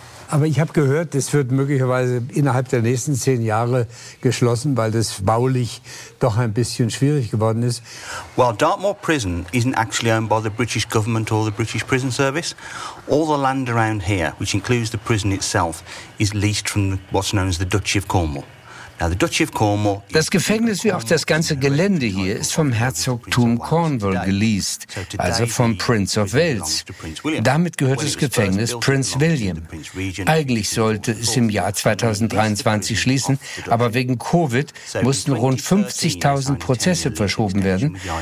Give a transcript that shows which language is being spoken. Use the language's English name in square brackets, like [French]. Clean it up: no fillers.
[German] Aber ich habe gehört, das wird möglicherweise innerhalb der nächsten 10 Jahre geschlossen, weil das baulich doch ein bisschen schwierig geworden ist. [English] Well, Dartmoor Prison isn't actually owned by the British government or the British Prison Service. All the land around here, which includes the prison itself, is leased from what's known as the Duchy of Cornwall. [German] Das Gefängnis wie auch das ganze Gelände hier ist vom Herzogtum Cornwall geleased, also vom Prince of Wales. Damit gehört das Gefängnis Prince William. Eigentlich sollte es im Jahr 2023 schließen, aber wegen Covid mussten rund 50.000 Prozesse verschoben werden.